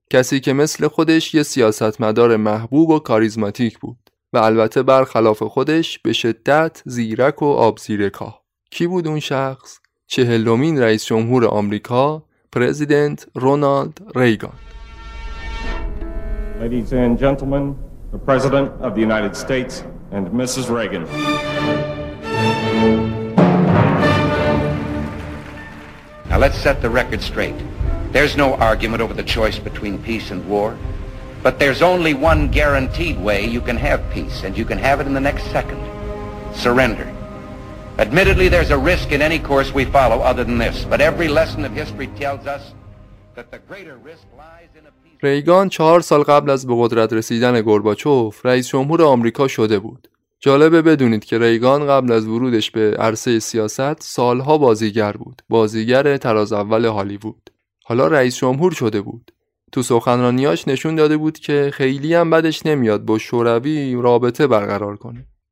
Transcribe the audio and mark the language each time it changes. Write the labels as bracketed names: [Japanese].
[Persian] کسی که مثل خودش یه سیاستمدار محبوب و کاریزماتیک بود و البته برخلاف خودش به شدت زیرک و آبزیرکا. کی بود اون شخص؟ 40مین رئیس جمهور آمریکا، پرزیدنت رونالد ریگان. [English] Ladies and gentlemen, the President of the United States and Mrs. Reagan. Now let's set the record straight. There's no argument over the choice between peace and war, but there's only one guaranteed way you can have peace, and you can have it in the next second. Surrender. Admittedly, there's a risk in any course we follow other than this, but every lesson of history tells us that the greater risk lies in a [Persian] ریگان 4 سال قبل از به قدرت رسیدن گورباچوف رئیس جمهور آمریکا شده بود. جالبه بدونید که ریگان قبل از ورودش به عرصه سیاست سالها بازیگر بود. بازیگر تراز اول هالیوود. حالا رئیس جمهور شده بود. تو سخنرانیاش نشون داده بود که خیلی هم بدش نمیاد با شوروی رابطه برقرار کنه.